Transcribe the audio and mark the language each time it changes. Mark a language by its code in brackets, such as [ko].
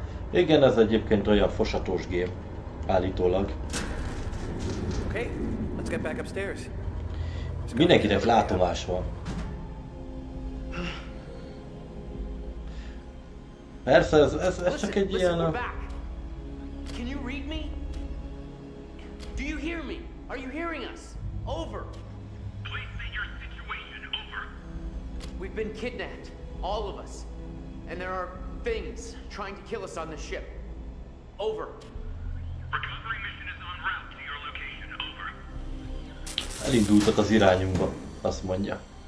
[hu] Igen, ez egyébként olyan fosatos gém, állítólag. [en] Okay, let's get back upstairs. [hu] Mindenkinek látomás van. Persze, ez csak egy ilyen... [en] Can you read me? Do you hear me? Are you hearing us? Over. Please say your situation, over. We've been kidnapped, all of us. And there are things trying to kill us on the ship. Over. Recovery mission is on route to your location. Over. [hu] Elindultak az irányunkba, azt mondja.